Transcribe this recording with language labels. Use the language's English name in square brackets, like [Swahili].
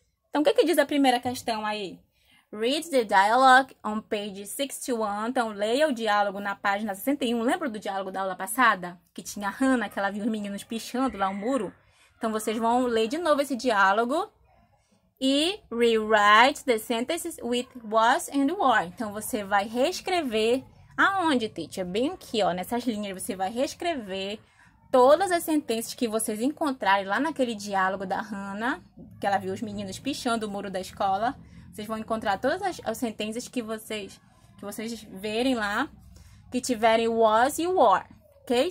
[Portuguese] Então, o que diz a primeira questão aí? [English] Read the dialogue on page 61. [Portuguese] Então, leia o diálogo na página 61. Lembra do diálogo da aula passada? Que tinha a Hannah, que ela viu os meninos pichando lá o muro. Então, vocês vão ler de novo esse diálogo. [English] E rewrite the sentences with was and were. [Portuguese] Então, você vai reescrever. Aonde, teacher? Bem aqui, ó, nessas linhas. Você vai reescrever todas as sentenças que vocês encontrarem lá naquele diálogo da Hannah, que ela viu os meninos pichando o muro da escola. Vocês vão encontrar todas as sentenças que vocês verem lá, que tiverem was e were, ok?